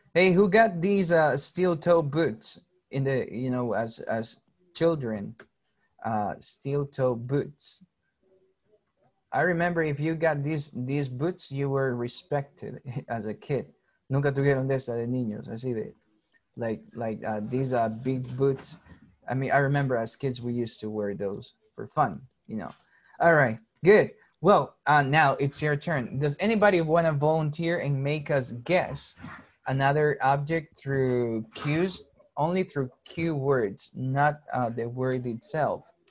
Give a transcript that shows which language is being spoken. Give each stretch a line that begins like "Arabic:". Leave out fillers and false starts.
English: Hey, who got these steel toe boots in the, you know, as children? Steel toe boots. I remember if you got these boots, you were respected as a kid.
Spanish: Nunca tuvieron de esas de niños, así de.
English: Like these big boots. I mean, I remember as kids we used to wear those for fun, you know. All right, good. Well, now it's your turn. Does anybody want to volunteer and make us guess another object through cues? Only through cue words, not the word itself.